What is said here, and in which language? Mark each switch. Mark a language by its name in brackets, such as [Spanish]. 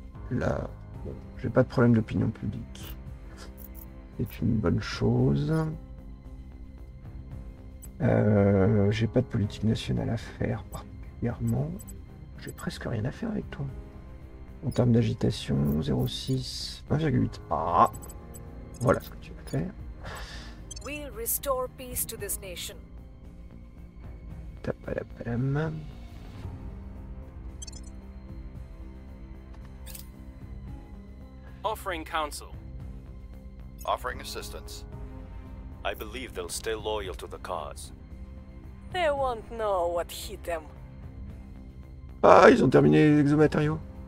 [French] Là, bon, j'ai pas de problème d'opinion publique. C'est une bonne chose. J'ai pas de politique nationale à faire particulièrement. J'ai presque rien à faire avec toi. En termes d'agitation, 0,6, 1,8. Ah, voilà ce que tu vas faire. [English] We'll restore peace to this nation. [French] T'as pas la peine. [English] Offering counsel. Offering assistance. I believe they'll stay loyal to the cause. They won't know what hit them. [French] Ah, ils ont terminé les exomatériaux.